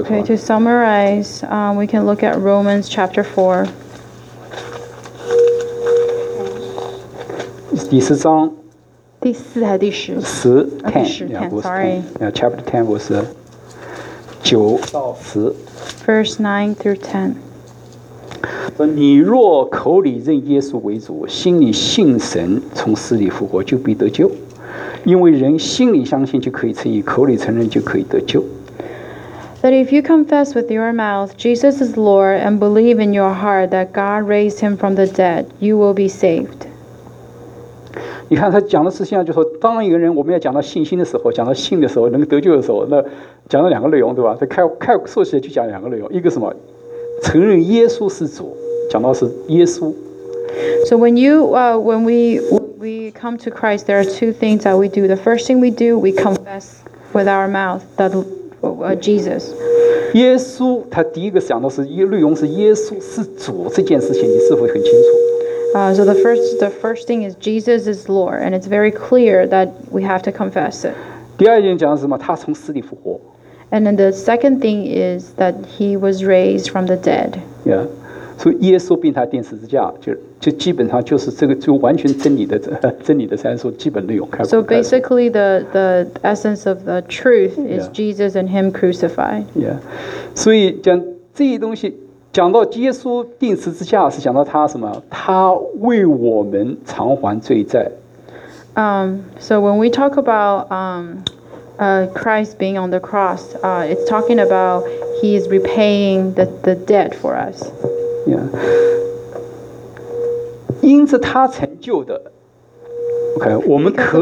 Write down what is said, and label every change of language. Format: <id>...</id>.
<en>Okay, to summarize, we can look at Romans chapter 4.</en> <zh>第四章。第四还是第十？十</zh> <en>ten, sorry. Yeah, chapter 10 was</en> <zh>九到十。</zh> <en>Verse 9 through 10.</en> <zh>你若口里认耶稣为主，心里信神从死里复活，就必得救。因为人心里相信就可以称义，口里承认就可以得救。</zh> <en>That if you confess with your mouth Jesus is Lord and believe in your heart that God raised him from the dead, you will be saved.</en> <zh>你看他讲的是现在就是说，当一个人我们要讲到信心的时候，讲到信的时候，能得救的时候，那讲了两个内容，对吧？他开说起来就讲两个内容，一个什么？承认耶稣是主，讲到是耶稣。</zh> <en>So when you, when we come to Christ, there are two things that we do. The first thing we do, we confess with our mouth that Jesus.</en> <zh>耶稣，他第一个讲到是内容是耶稣是主这件事情，你是否很清楚？</zh> <en>So the first thing is Jesus is Lord, and it's very clear that we have to confess it.</en> <zh>第二件讲的是什么？他从死里复活。</zh> <en>And then the second thing is that he was raised from the dead.</en> <zh>Yeah, so 耶稣并他钉十字架，就基本上就是这个就完全真理的三说基本内容。</zh> <en>So basically, the essence of the truth is Jesus and him crucified.</en> <zh>Yeah, 所以讲这些东西，讲到耶稣钉十字架是讲到他什么？他为我们偿还罪债。</zh> <en>So when we talk about Christ being on the cross, it's talking about he is repaying the debt for us. Yeah.</en> <zh>因着他成就的 ，OK， 我们可以。</zh>